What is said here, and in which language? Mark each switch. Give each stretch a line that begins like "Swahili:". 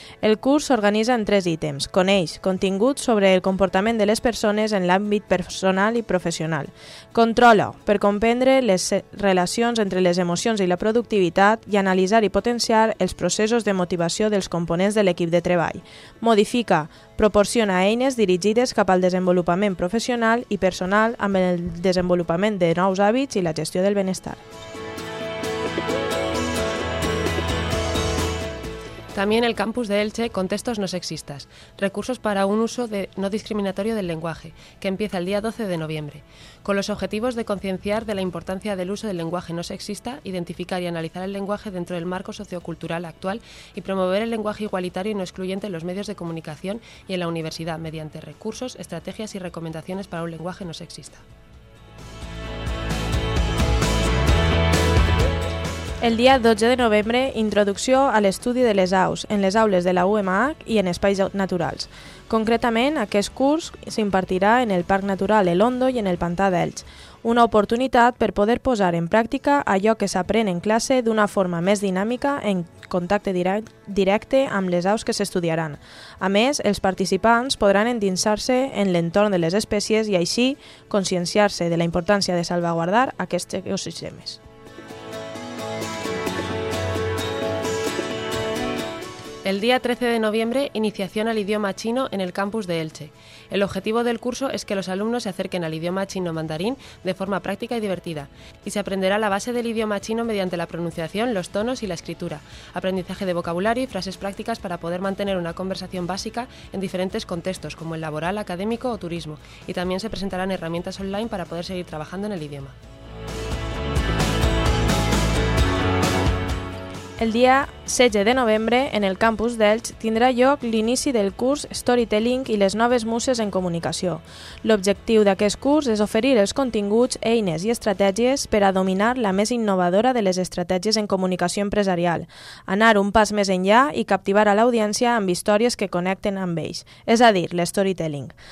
Catalan: El curs s'organitza en tres ítems: coneix, contingut sobre el comportament de les persones en l'àmbit personal i professional; controla, per comprendre les relacions entre les emocions i la productivitat i analitzar i potenciar els processos de motivació dels components de l'equip de treball; modifica, proporciona eines dirigides cap al desenvolupament professional i personal amb el desenvolupament de nous hàbits i la gestió del benestar.
Spanish: También el campus de Elche, Contextos no sexistas, recursos para un uso no discriminatorio del lenguaje, que empieza el día 12 de noviembre, con los objetivos de concienciar de la importancia del uso del lenguaje no sexista, identificar y analizar el lenguaje dentro del marco sociocultural actual y promover el lenguaje igualitario y no excluyente en los medios de comunicación y en la universidad mediante recursos, estrategias y recomendaciones para un lenguaje no sexista.
Catalan: El dia 12 de novembre, introducció a l'estudi de les aus en les aules de la UMH i en espais naturals. Concretament, aquest curs s'impartirà en el Parc Natural El Hondo i en el Pantà d'Elx, una oportunitat per poder posar en pràctica allò que s'aprèn en classe d'una forma més dinàmica en contacte directe amb les aus que s'estudiaran. A més, els participants podran endinsar-se en l'entorn de les espècies i així conscienciar-se de la importància de salvaguardar aquests ecosistemes.
Spanish: El día 13 de noviembre, iniciación al idioma chino en el campus de Elche. El objetivo del curso es que los alumnos se acerquen al idioma chino mandarín de forma práctica y divertida, y se aprenderá la base del idioma chino mediante la pronunciación, los tonos y la escritura, aprendizaje de vocabulario y frases prácticas para poder mantener una conversación básica en diferentes contextos, como el laboral, académico o turismo, y también se presentarán herramientas online para poder seguir trabajando en el idioma.
Catalan: El dia 16 de novembre, en el campus d'Elx, tindrà lloc l'inici del curs Storytelling i les noves muses en comunicació. L'objectiu d'aquest curs és oferir els continguts, eines i estratègies per a dominar la més innovadora de les estratègies en comunicació empresarial, anar un pas més enllà i captivar a l'audiència amb històries que connecten amb ells, és a dir, l'Storytelling.